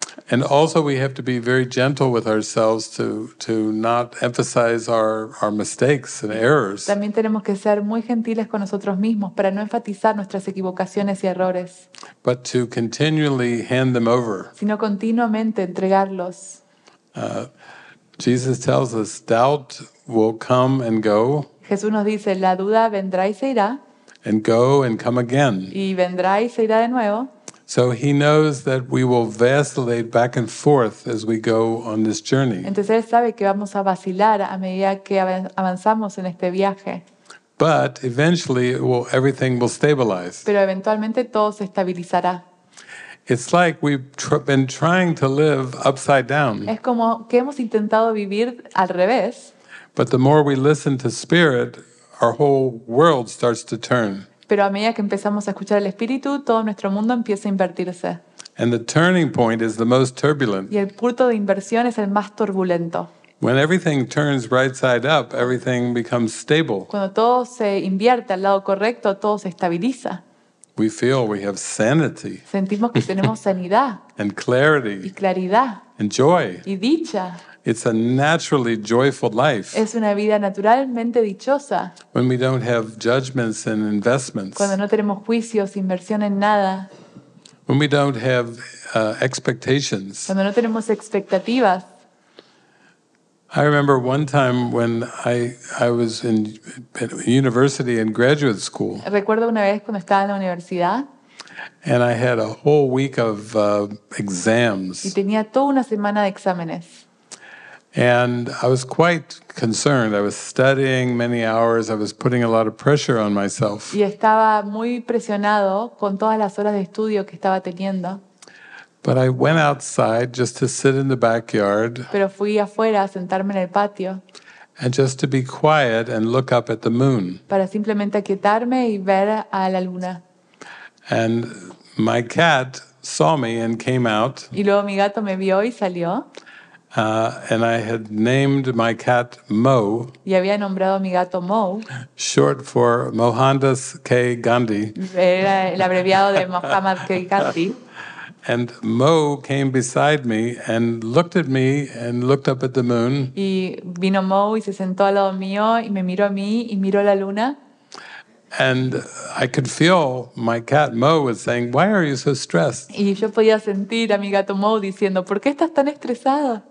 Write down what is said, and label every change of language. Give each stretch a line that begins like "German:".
English: And also we have to be very gentle with ourselves to not emphasize our mistakes and errors.
Spanish: También tenemos que ser muy gentiles con nosotros mismos para no enfatizar nuestras equivocaciones y errores.
English: But to continually hand them over.
Spanish: Sino continuamente entregarlos.
English: Jesus tells us doubt will come and go.
Spanish: Jesús nos dice, la duda vendrá y se irá.
English: And go and come again.
Spanish: Y vendrá y se irá de nuevo.
English: So he knows that we will vacillate back and forth as we go on this journey.
Spanish: Entonces él sabe que vamos a vacilar a medida que avanzamos en este viaje.
English: But eventually everything will stabilize.
Spanish: Pero eventualmente todo se estabilizará.
English: It's like we've been trying to live upside down.
Spanish: Es como que hemos intentado vivir al revés.
English: But the more we listen to spirit, our whole world starts to turn.
Spanish: Pero a medida que empezamos a escuchar al Espíritu, todo nuestro mundo empieza a invertirse.
English: And the turning point is the most turbulent.
Spanish: Y el punto de inversión es el más turbulento.
English: When everything turns right side up, everything becomes stable.
Spanish: Cuando todo se invierte al lado correcto, todo se estabiliza.
English: We feel we have sanity.
Spanish: Sentimos que tenemos sanidad.
English: And clarity.
Spanish: Y claridad.
English: And joy.
Spanish: Y dicha.
English: It's a naturally joyful life.
Spanish: Es una vida naturalmente dichosa.
English: When we don't have judgments and investments.
Spanish: Cuando no tenemos juicios, inversión en nada.
English: When we don't have expectations.
Spanish: Cuando no tenemos expectativas.
English: I remember one time when I was in university and graduate school.
Spanish: Recuerdo una vez cuando estaba en la universidad.
English: And I had a whole week of exams.
Spanish: Y tenía toda una semana de exámenes.
English: And I was quite concerned. I was studying many hours. I was putting a lot of pressure on myself.
Spanish: Y estaba muy presionado con todas las horas de estudio que estaba teniendo.
English: But I went outside just to sit in the backyard.
Spanish: Pero fui afuera a sentarme en el patio.
English: And just to be quiet and look up at the moon.
Spanish: Para simplemente aquietarme y ver a la luna.
English: And my cat saw me and came out.
Spanish: Y luego mi gato me vio y salió.
English: And I had named my cat Mo.
Spanish: Y había nombrado a mi gato Mo.
English: Short for Mohandas K. Gandhi.
Spanish: Era el abreviado de Mohammed K. Gandhi.
English: And Mo came beside me and looked at me and looked up at the moon.
Spanish: Y vino Mo y se sentó al lado mío y me miró a mí y miró la luna.
English: And I could feel my cat Mo was saying, "Why are you so stressed?"
Spanish: Y yo podía sentir a mi gato Mo diciendo, "¿Por qué estás tan estresada?"